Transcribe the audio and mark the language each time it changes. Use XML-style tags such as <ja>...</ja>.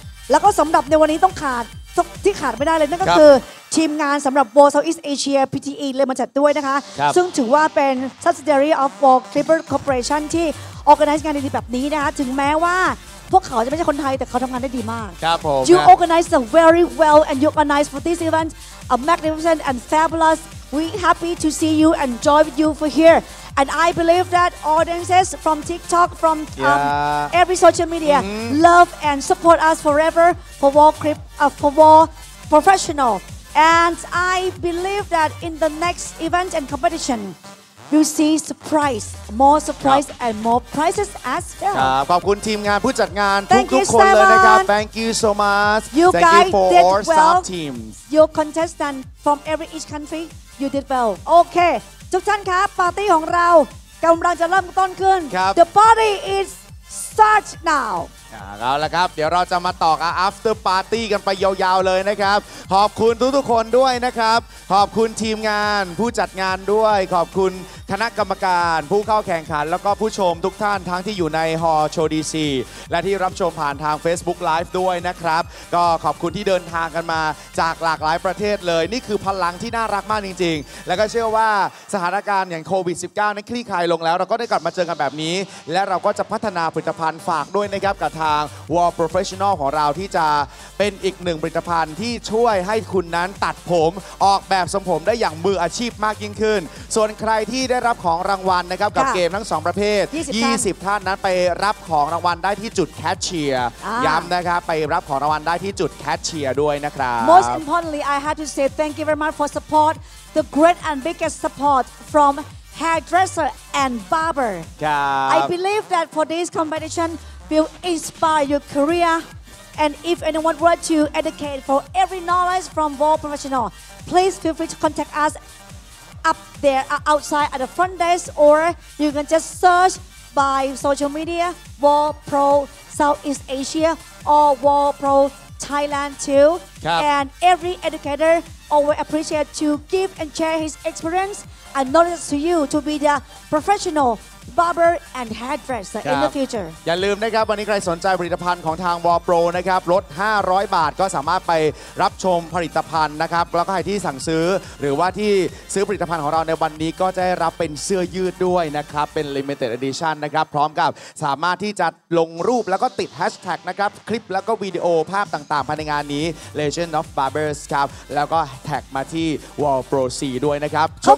<th>แล้วก็สำหรับในวันนี้ต้องขาดที่ขาดไม่ได้เลยนั่นก็คือทีมงานสำหรับ World Southeast Asia PTE เลยมาจัดด้วยนะคะซึ่งถือว่าเป็น</th> <en>subsidiary of World Clipper Corporation</en> <th>ที่ organize งานดีๆแบบนี้นะคะถึงแม้ว่าพวกเขาจะไม่ใช่คนไทยแต่เขาทำงานได้ดีมาก ครับผม</th> <en>You organize them very well and you organize for this event a magnificent and fabulous we happy to see you and enjoy with you for here and I believe that audiences from TikTok from every social media love and support us forever for World Clip for World ProfessionalAnd I believe that in the next event and competition, you'll see surprise, more surprise and more prizes as well.</en> <th>ขอบคุณทีมงานผู้จัดงานทุกคนเลยนะครับ</th> <en>Thank you so much. You guys did well. Teams. Your contestant from every each country, you did well.</en> <th>Okay, ทุกท่านครับปาร์ตี้ของเรากำลังจะเริ่มต้นขึ้น</th> <en>The party is start now.</en> <th>เอาละครับเดี๋ยวเราจะมาต่อกับ after party กันไปยาวๆเลยนะครับขอบคุณทุกๆคนด้วยนะครับขอบคุณทีมงานผู้จัดงานด้วยขอบคุณคณะกรรมการผู้เข้าแข่งขันแล้วก็ผู้ชมทุกท่านทั้งที่อยู่ในฮอลล์โชว์ดีซี และที่รับชมผ่านทาง Facebook Live ด้วยนะครับก็ขอบคุณที่เดินทางกันมาจากหลากหลายประเทศเลยนี่คือพลังที่น่ารักมากจริงๆแล้วก็เชื่อว่าสถานการณ์อย่างโควิด-19 นั้นคลี่คลายลงแล้วเราก็ได้กลับมาเจอกันแบบนี้และเราก็จะพัฒนาผลิตภัณฑ์ฝากด้วยนะครับกับทางวอลโปรเฟชชั่นอลของเราที่จะเป็นอีกหนึ่งผลิตภัณฑ์ที่ช่วยให้คุณนั้นตัดผมออกแบบทรงผมได้อย่างมืออาชีพมากยิ่งขึ้นส่วนใครที่ได้รับของรางวัลนะครับกับเกมทั้ง2ประเภท 20 ท่านนั้นไปรับของรางวัลได้ที่จุดแคชเชียร์ย้ำนะครับไปรับของรางวัลได้ที่จุดแคชเชียร์ด้วยนะครับ</th> <en>Most importantly I have to say thank you very much for support the great and biggest support from hairdresser and barber I believe that for this competition will inspire your career and if anyone want to educate for every knowledge from world professional please feel free to contact usUp there, outside at the front desk, or you can just search by social media World Pro Southeast Asia or World Pro Thailand too. And every educator always appreciate to give and share his experience and knowledge to you to be the professional. Barber and hairdresser in the future.</en> <th>อย่าลืมนะครับวันนี้ใครสนใจผลิตภัณฑ์ของทางวอลโปรนะครับลด500บาทก็สามารถไปรับชมผลิตภัณฑ์นะครับแล้วก็ใครที่สั่งซื้อหรือว่าที่ซื้อผลิตภัณฑ์ของเราในวันนี้ก็จะได้รับเป็นเสื้อยืดด้วยนะครับเป็น limited edition นะครับพร้อมกับสามารถที่จะลงรูปแล้วก็ติดแฮชแท็กนะครับคลิปแล้วก็วิดีโอภาพต่างๆภายในงานนี้ Legend of Barbers ครับแล้วก็แท็กมาที่วอลโปร4ด้วยนะครับ</th>